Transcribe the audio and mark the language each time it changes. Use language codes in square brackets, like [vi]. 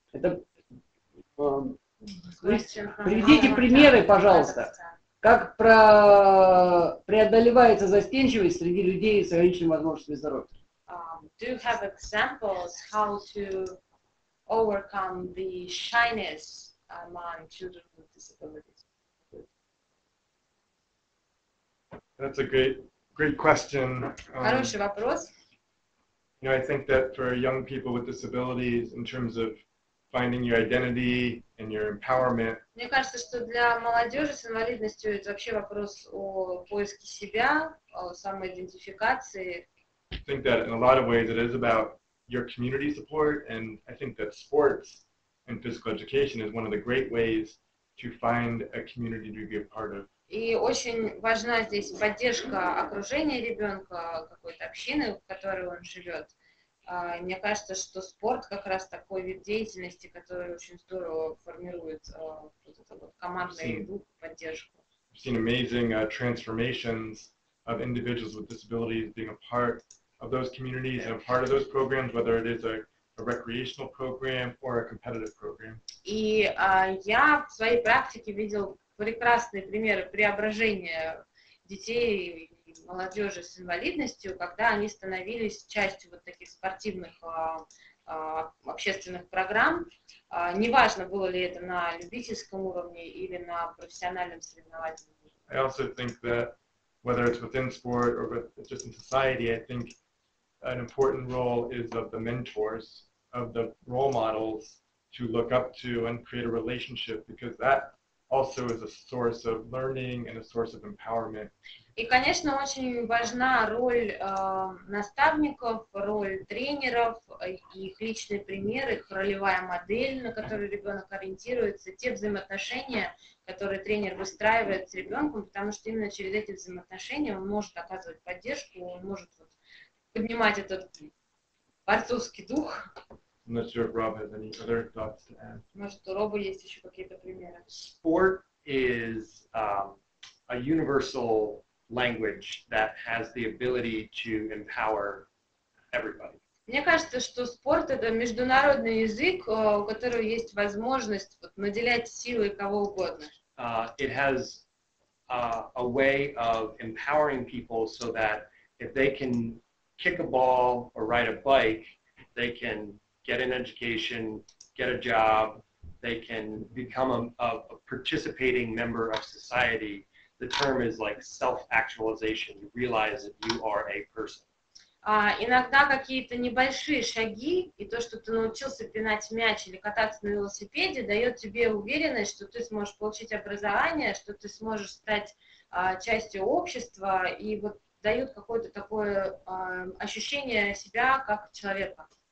[ru] Это, приведите примеры, пожалуйста, как преодолевается застенчивость среди людей с ограниченными возможностями здоровья. [en] Do you have examples how to overcome the shyness among children with disabilities? That's a great question. [ru] Хороший вопрос. [en] You know, I think that for young people with disabilities, in terms of finding your identity and your empowerment. [ru] Мне кажется, что для молодежи с инвалидностью это вообще вопрос о поиске себя, о самоидентификации. [en] I think that in a лот of ways it is about your community support, and I think that sports and physical education is one of the great ways to find a community to be a part of. [ru] И очень важна здесь поддержка окружения ребенка, какой-то общины, в которой он живет. Мне кажется, что спорт как раз такой вид деятельности, который очень здорово формирует вот это вот командный дух, поддержку. [en] I've seen amazing transformations of individuals with disabilities being a part of those communities and a part of those programs, whether it is a recreational program or a competitive program. [ru] И я в своей практике видел прекрасные примеры преображения детей и молодежи с инвалидностью, когда они становились частью вот таких спортивных общественных программ. Неважно, было ли это на любительском уровне или на профессиональном соревновательном уровне. [en] I also think that whether it's within sport or just in society, I think an important role is of the mentors, of the role models to look up to and create a relationship, because that also is a source of learning and a source of empowerment. [ru] И, конечно, очень важна роль наставников, роль тренеров, их личный пример, их ролевая модель, на которую ребенок ориентируется, те взаимоотношения, которые тренер выстраивает с ребенком, потому что именно через эти взаимоотношения он может оказывать поддержку, он может вот поднимать этот борцовский дух. [en] I'm not sure if Rob has any other thoughts to add. [ru] Может, у Роба есть еще какие-то примеры? [en] Sport is a universal language that has the ability to empower everybody. [ru] Мне кажется, что спорт — это международный язык, у которого есть возможность вот, наделять силой кого угодно. [en] It has a way of empowering people so that if they can kick a ball or ride a bike, they can get an education, get a job, they can become a participating member of society. The term is like self-actualization. You realize that you are a person. [ru] Иногда какие-то небольшие шаги и то, что ты научился пинать мяч или кататься на велосипеде, дает тебе уверенность, что ты сможешь получить образование, что ты сможешь стать частью общества и вот дают какое-то такое ощущение себя как человека.